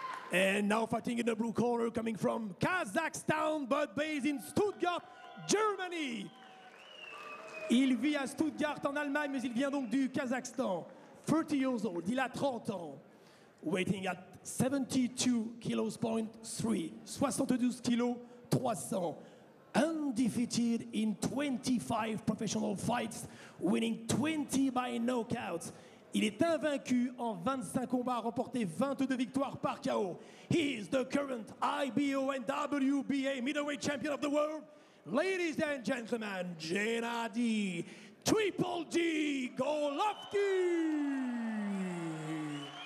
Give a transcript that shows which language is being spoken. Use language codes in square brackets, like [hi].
[en] And now fighting in the blue corner, coming from Kazakhstan, but based in Stuttgart, Germany. [fr] Il vit à Stuttgart en Allemagne, mais il vient donc du Kazakhstan. [en] 30 years old, [fr] il a 30 ans. [en] Weighing at 72.3 kilos, 72 kilos 300. Undefeated in 25 professional fights, winning 20 by knockouts. [fr] Il est invaincu en 25 combats, remporté 22 victoires par KO. [en] He is the current IBO and WBA middleweight champion of the world. Ladies and gentlemen, Gennady Triple G Golovkin!